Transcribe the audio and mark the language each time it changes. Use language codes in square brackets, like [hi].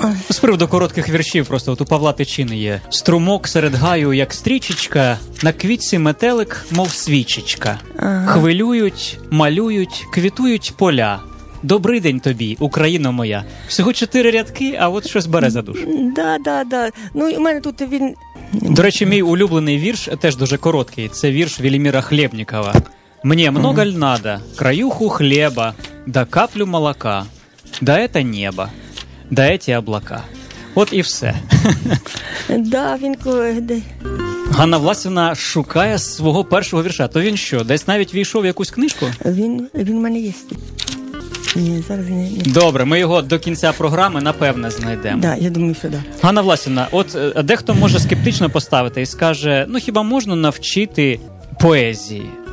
[uk] З приводу коротких віршів просто, от у Павла Тичини є. Струмок серед гаю, як стрічечка, на квітці метелик, мов свічечка. Ага. Хвилюють, малюють, квітують поля. Добрий день тобі, Україно моя. Всього 4 рядки, а от щось бере за душу. Да, да, да. Ну, у мене тут він... До речі, мій улюблений вірш теж дуже короткий. Це вірш Веліміра Хлєбнікова. [ru] Мне много ль надо, краюху хлеба, да каплю молока, да это небо, да эти облака. [uk] От і все. Да, він коли. Ганна Власівна шукає свого першого вірша. То він що, десь навіть війшов в якусь книжку? Він в мене є. Ні, зараз не. Добре, ми його до кінця програми, напевне, знайдемо. Так, я думаю, що да. Ганна Власівна, от дехто може скептично поставити і скаже, ну хіба можна навчити поезії?